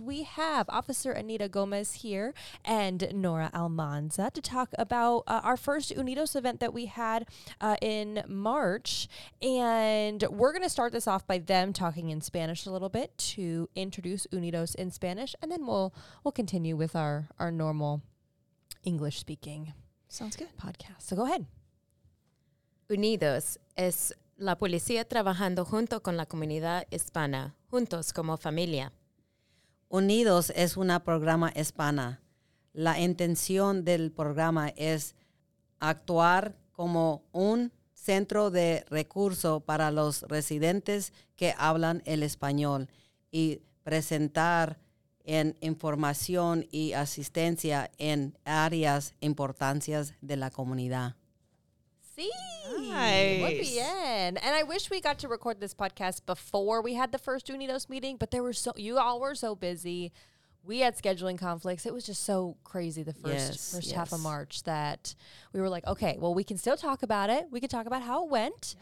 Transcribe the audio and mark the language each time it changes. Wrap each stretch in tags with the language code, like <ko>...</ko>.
<en>We have Officer Anita Gomez here and Nora Almanza to talk about our first UNIDOS event that we had in March. And we're going to start this off by them talking in Spanish a little bit to introduce UNIDOS in Spanish. And then we'll continue with our normal English speaking. Sounds good. Podcast. So go ahead.</en> <es>UNIDOS es la policía trabajando junto con la comunidad hispana, juntos como familia. UNIDOS es un programa hispana. La intención del programa es actuar como un centro de recurso para los residentes que hablan el español y presentar en información y asistencia en áreas importantes de la comunidad. Sí.</es> <en>Nice.</en> <es>Muy bien.</es> <en>And I wish we got to record this podcast before we had the first UNIDOS meeting, but you all were so busy. We had scheduling conflicts. It was just so crazy the first half of March that we were like, okay, well, we can still talk about it. We could talk about how it went.</en>